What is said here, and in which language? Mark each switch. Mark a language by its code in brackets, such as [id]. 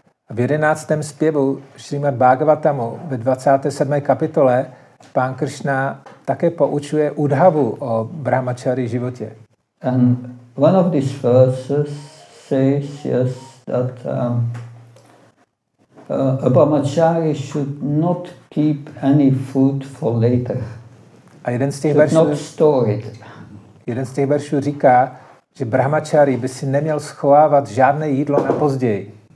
[cs] V 11. zpěvu Srimad Bhagavatamu ve 27. kapitole pán Kršna také poučuje Udhavu o brahmačary životě. [en] And one of these verses says yes, that a brahmachari should not keep any food for later. [cs] A jeden z těch veršů, [en] not store it. [cs] Jeden z těch veršů říká, že brahmačary by si neměl schovávat žádné jídlo na později.